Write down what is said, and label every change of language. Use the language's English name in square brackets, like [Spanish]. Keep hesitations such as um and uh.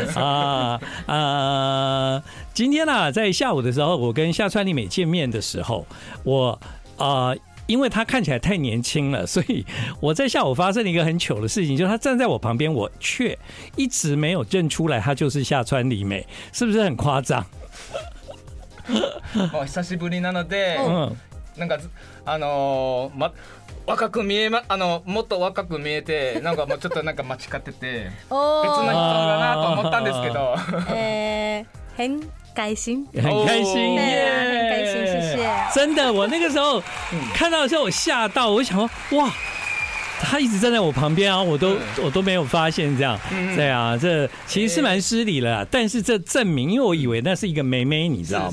[Chinese] 啊啊 、呃，今天呢、啊，在下午的时候，我跟夏川丽美见面的时候，我啊、呃，因为他看起来太年轻了，所以我在下午发生了一个很糗的事情，就是他站在我旁边，我却一直没有认出来他就是下川里美，是不是很夸张？ [Japanese] oh, 久しぶりなので、なんかあのま若く見えまあのもっと若く見えてなんかもうちょっとなんか間違ってて、 別の人だなと思ったんですけど。 [Chinese] へん开心，很开心，耶，很开心，谢谢。真的，我那个时候看到的时候，我吓到，我想说，哇，他一直站在我旁边啊，我都我都没有发现这样，对啊，这其实是蛮失礼了，yeah. 但是这证明，因为我以为那是一个妹妹，你知道吗？